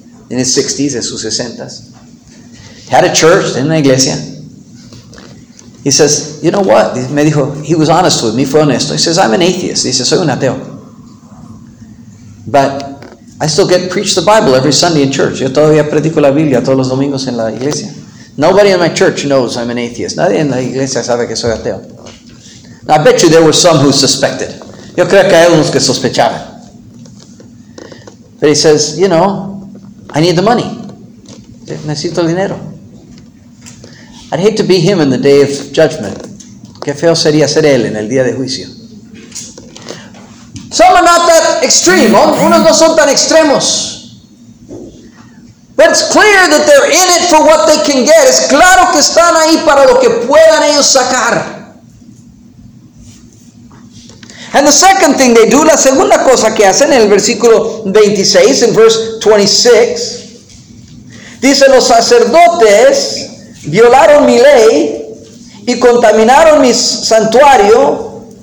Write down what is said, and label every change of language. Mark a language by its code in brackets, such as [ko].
[en] In his 60s, [es] en sus 60s. [en] Had a church, [es] en una iglesia. [en] He says, you know what? [es] Me dijo, [en] he was honest with me, [es] fue honesto. [en] He says, I'm an atheist. He says, [es] soy un ateo. [en] But I still get preach the Bible every Sunday in church. [es] Yo todavía predico la Biblia todos los domingos en la iglesia. [en] Nobody in my church knows I'm an atheist. [es] Nadie en la iglesia sabe que soy ateo. [en] Now, I bet you there were some who suspected. [es] Yo creo que hay unos que sospechaban. [en] But he says, you know, I need the money. [es] Necesito dinero. [en] I'd hate to be him in the day of judgment. [es] Qué feo sería ser él en el día de juicio. [en] Some are not that extreme. [es] Unos no son tan extremos. [en] But it's clear that they're in it for what they can get. [es] Es claro que están ahí para lo que puedan ellos sacar. [en] And the second thing they do, [es] la segunda cosa que hacen en el versículo 26, [en] in verse 26, [es] dice los sacerdotes violaron mi ley y contaminaron mi santuario.